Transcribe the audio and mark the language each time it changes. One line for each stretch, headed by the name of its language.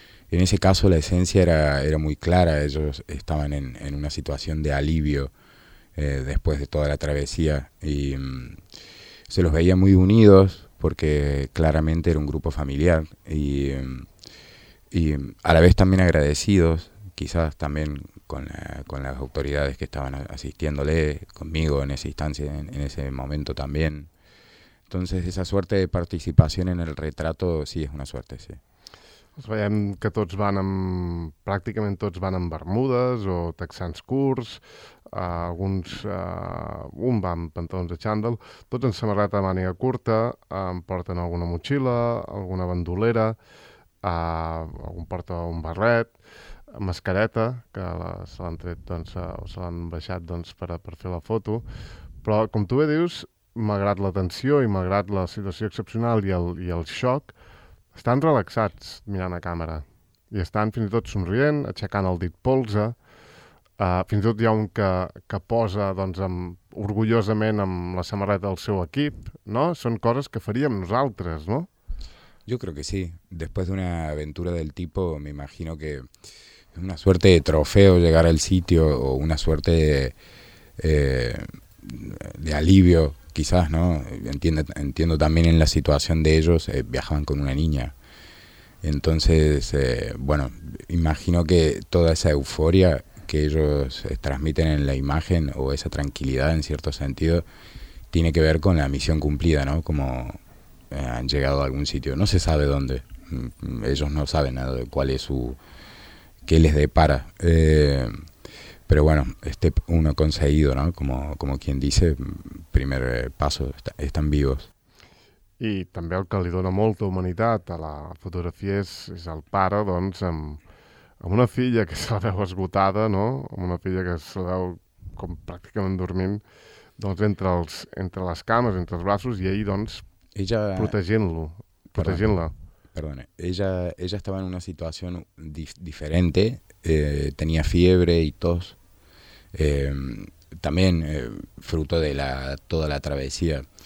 Spanish: En ese caso la esencia era muy clara, ellos estaban en una situación de alivio después de toda la travesía y se los veía muy unidos porque claramente era un grupo familiar y a la vez también agradecidos, quizás también con las autoridades que estaban asistiéndole conmigo en esa instancia, en ese momento también. Entonces, esa suerte de participación en el retrato, sí, es una suerte, sí.
Catalan: Els veiem que tots van amb... pràcticament tots van amb bermudes o texans curts, alguns... un va amb pantalons de xandall, tots en samarreta de màniga curta, porten alguna motxilla, alguna bandolera, algun porta un barret, mascareta, que se l'han tret, doncs, o se l'han baixat, doncs, per fer la foto. Però, com tu bé dius, malgrat la tensió i malgrat la situació excepcional i el xoc, estan relaxats mirant a càmera i estan fins i tot somrient, aixecant el dit polze. Fins i tot hi ha un que posa, doncs, orgullosament amb la samarreta del seu equip, no? Són coses que faríem nosaltres, no?
Spanish: Yo creo que sí. Después de una aventura del tipo, me imagino que es una suerte de trofeo llegar al sitio o una suerte de alivio, quizás, ¿no? Entiendo también en la situación de ellos, viajaban con una niña. Entonces, bueno, imagino que toda esa euforia que ellos transmiten en la imagen o esa tranquilidad, en cierto sentido, tiene que ver con la misión cumplida, ¿no? Como han llegado a algún sitio, no se sabe dónde, ellos no saben nada de cuál es su, qué les depara, pero bueno, este uno conseguido, ¿no? Como quien dice, primer paso, están vivos.
Catalan: I també el que li dona molta humanitat a la fotografia és el pare, doncs, amb una filla que se la veu esgotada, no? Amb una filla que se la veu com pràcticament dormint, doncs, entre les cames, entre els braços, i ell, doncs,
Spanish: protegiéndola. Perdone, ella estaba en una situación diferente, tenía fiebre y tos, también fruto de toda la travesía.